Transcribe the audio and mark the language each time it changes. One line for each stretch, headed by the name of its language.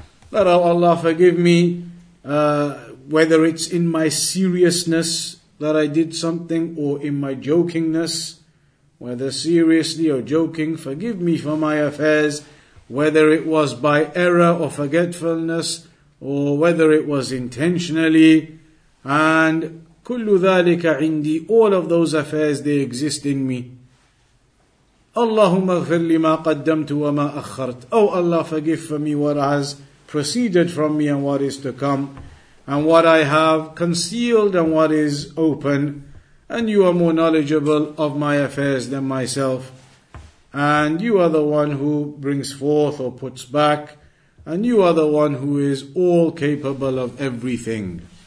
English: That, oh Allah, forgive me whether it's in my seriousness that I did something or in my jokingness, whether seriously or joking, forgive me for my affairs, whether it was by error or forgetfulness, or whether it was intentionally, and
Arabic: كل ذلك عندي,
English: all of those affairs, they exist in me.
Arabic: اللهم اغفر لي ما قدمت وما أخرت.
English: Oh Allah, forgive for me what has proceeded from me and what is to come, and what I have concealed and what is open, and you are more knowledgeable of my affairs than myself, and you are the one who brings forth or puts back, and you are the one who is all capable of everything.